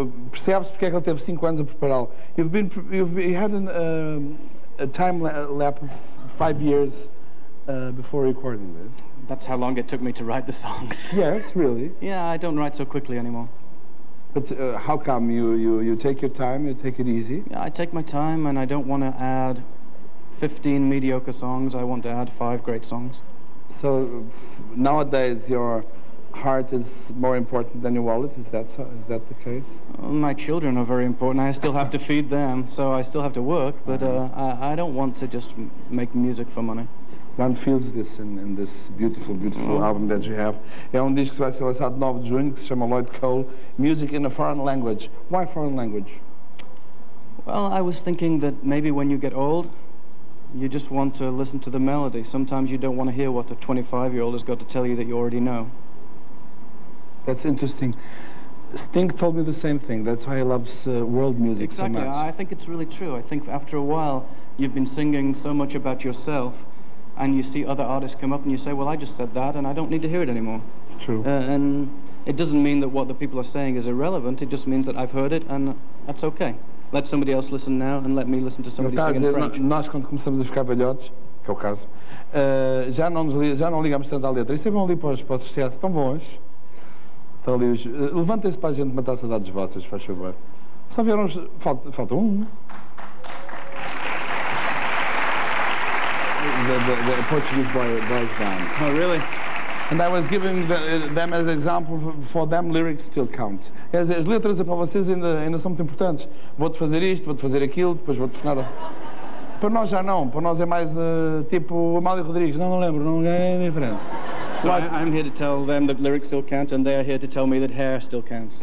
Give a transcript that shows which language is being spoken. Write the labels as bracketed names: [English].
[Portuguese] Percebes porque é que ele teve 5 anos a prepará-lo? [English] You had a time lap of 5 years before recording this. That's how long it took me to write the songs. Yes, really? Yeah, I don't write so quickly anymore. But how come? You take your time, you take it easy? Yeah, I take my time and I don't want to add 15 mediocre songs. I want to add 5 great songs. So nowadays your heart is more important than your wallet, is that so? Is that the case? Well, my children are very important. I still have to feed them, so I still have to work, but I don't want to just make music for money. One feels this in this beautiful album that you have. [Portuguese] É disco que vai ser lançado 9 de junho, que se chama Lloyd Cole, Music in a Foreign Language. [English] Why foreign language? Well, I was thinking that maybe when you get old, you just want to listen to the melody. Sometimes you don't want to hear what a 25-year-old has got to tell you that you already know. That's interesting. Sting told me the same thing. That's why he loves world music exactly. So much. Exactly. I think it's really true. I think after a while, you've been singing so much about yourself, and you see other artists come up and you say, well, I just said that, and I don't need to hear it anymore. It's true. And it doesn't mean that what the people are saying is irrelevant. It just means that I've heard it, and that's okay. Let somebody else listen now and let me listen to somebody sing in French. [Portuguese] Nós, quando começamos a ficar velhotes, que é o caso, já não ligamos tanto à letra. Isso é bom ali para os CS, tão bons. Levantem-se para a gente matar saudades vossas, faz favor. Só vieram. Falta um. [English] The Portuguese boys band. Oh, really? And I was giving them as an example, for them lyrics still count. [Portuguese] As letras para vocês ainda são muito importantes. Vou-te fazer isto, vou-te fazer aquilo, depois vou-te tornar. Para nós já não, para nós é mais tipo Amália Rodrigues. Não lembro, não é diferente. [English] So I'm here to tell them that lyrics still count and they are here to tell me that hair still counts.